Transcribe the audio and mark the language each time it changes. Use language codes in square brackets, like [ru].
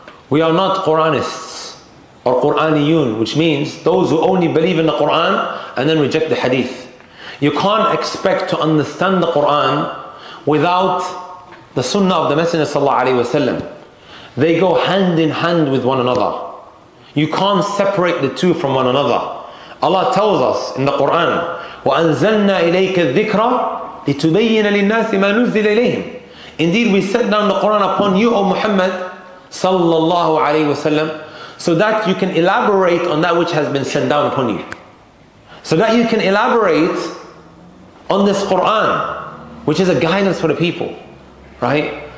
[en] We are not Quranists or Quraniyun, which means those who only believe in the Quran and then reject the hadith. You can't expect to understand the Quran without the sunnah of the Messenger sallallahu alayhi wa sallam. They go hand in hand with one another. You can't separate the two from one another. Allah tells us in the Quran, [ar] وَأَنزَلْنَا إِلَيْكَ الذِّكْرَ لِتُبَيِّنَ لِلنَّاسِ مَا نُزِّلَ إِلَيْهِمْ. [en] Indeed, we set down the Quran upon you, O Muhammad, sallallahu alayhi wasallam, so that you can elaborate on that which has been sent down upon you. So that you can elaborate on this Quran, which is a guidance for the people. Right?